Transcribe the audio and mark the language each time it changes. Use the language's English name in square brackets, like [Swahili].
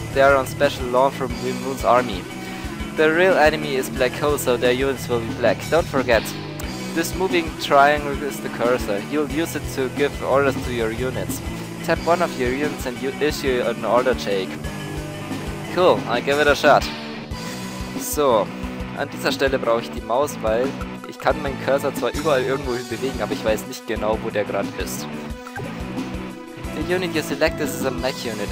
[English] They are on special loan from Blue Moon's army. The real enemy is Black Hole, so their units will be black. Don't forget, this moving triangle is the cursor. You'll use it to give orders to your units. Tap one of your units and you issue an order, Jake. Cool, I give it a shot. [German] So, an dieser Stelle brauche ich die Maus, weil ich kann meinen Cursor zwar überall irgendwo hin bewegen, aber ich weiß nicht genau, wo der gerade ist. [English] The unit you select is a mech unit.